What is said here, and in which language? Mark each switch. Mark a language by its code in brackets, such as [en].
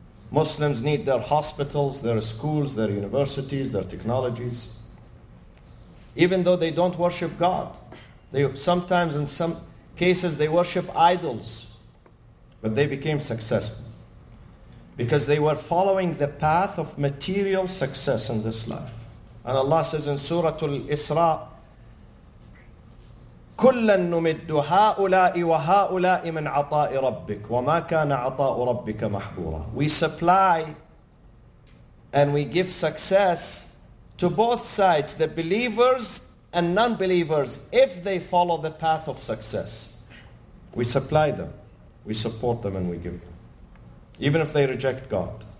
[en] Muslims need their hospitals, their schools, their universities, their technologies. Even though they don't worship God, they sometimes, in some cases, they worship idols, but they became successful because they were following the path of material success in this life. And Allah says in Surah Al-Isra, [ar] كُلًّا نُمِدُّ هَؤُلَاءِ وَهَؤُلَاءِ مِنْ عَطَاءِ رَبِّكَ وَمَا كَانَ عَطَاءُ رَبِّكَ مَحْبُورًا. [en] We supply and we give success to both sides, the believers and non-believers, if they follow the path of success. We supply them, we support them, and we give them, even if they reject God.